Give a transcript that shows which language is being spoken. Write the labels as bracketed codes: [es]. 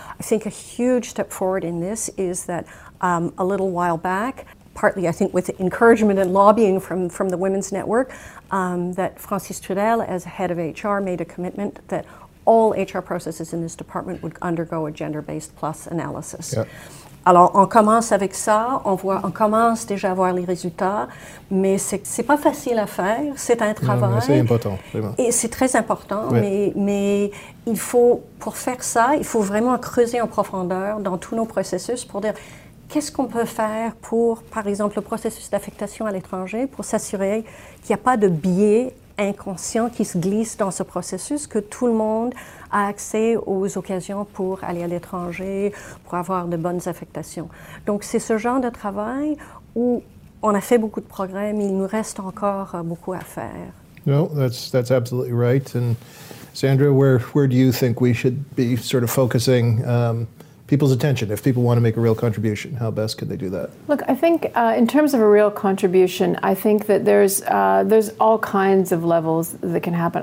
[en] I think a huge step forward in this is that a little while back, partly I think with encouragement and lobbying from the Women's Network, that Francis Trudel, as head of HR, made a commitment that all HR processes in this department would undergo a gender-based plus analysis. Yep. [fr] Alors, on commence avec ça, on commence déjà à voir les résultats, mais c'est pas facile à faire, c'est un travail. Non, mais c'est important, vraiment. Et c'est très important, oui. mais il faut, pour faire ça, il faut vraiment creuser en profondeur dans tous nos processus pour dire qu'est-ce qu'on peut faire pour, par exemple, le processus d'affectation à l'étranger, pour s'assurer qu'il n'y a pas de biais inconscient qui se glisse dans ce processus, que tout le monde a accès aux occasions pour aller à l'étranger, pour avoir de bonnes affectations. Donc, c'est ce genre de travail où on a fait beaucoup de progrès, mais il nous reste encore beaucoup à faire. [en] No, that's absolutely right. And Sandra, where do you think we should be sort of focusing people's attention? If people want to make a real contribution, how best could they do that? Look, I think in terms of a real contribution, I think that there's all kinds of levels that can happen.